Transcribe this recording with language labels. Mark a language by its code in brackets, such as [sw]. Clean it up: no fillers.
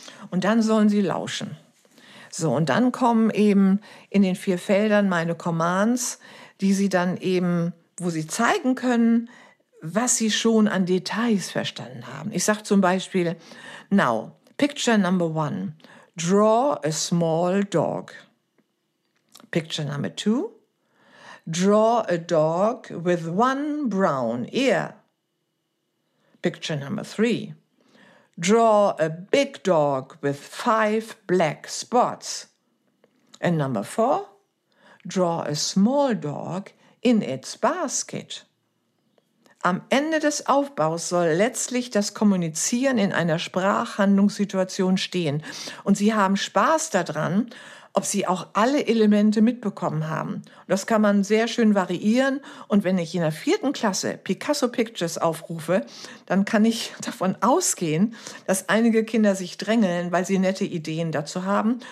[de] Und dann sollen sie lauschen. So, und dann kommen eben in den vier Feldern meine Commands, die sie dann eben, wo sie zeigen können, was sie schon an Details verstanden haben. Ich sage zum Beispiel, [en] now, picture number one, draw a small dog. Picture number two, draw a dog with one brown ear. Picture number three, draw a big dog with five black spots. And number four, draw a small dog in its basket. [de] Am Ende des Aufbaus soll letztlich das Kommunizieren in einer Sprachhandlungssituation stehen. Und Sie haben Spaß daran, ob Sie auch alle Elemente mitbekommen haben. Das kann man sehr schön variieren. Und wenn ich in der vierten Klasse Picasso Pictures aufrufe, dann kann ich davon ausgehen, dass einige Kinder sich drängeln, weil sie nette Ideen dazu haben.